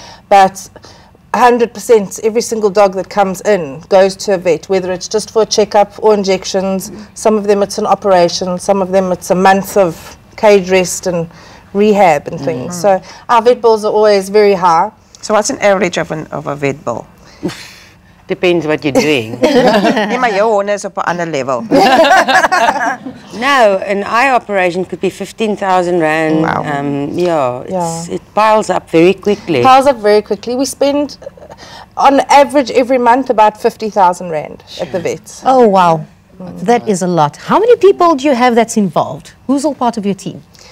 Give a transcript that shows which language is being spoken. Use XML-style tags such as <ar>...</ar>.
<en>But 100%, every single dog that comes in goes to a vet, whether it's just for a checkup or injections. Some of them it's an operation, some of them it's a month of cage rest and rehab and things. So our vet bills are always very high. So what's an average of a vet bill? Depends what you're doing.</en> <af>Nee, maar jou honde is op 'n ander level.</af> <en>No, an eye operation could be 15,000 rand. Wow. It piles up very quickly. It piles up very quickly. We spend, on average, every month about 50,000 rand at the vets. Oh, wow. That is a lot. How many people do you have that's involved? Who's all part of your team?</en>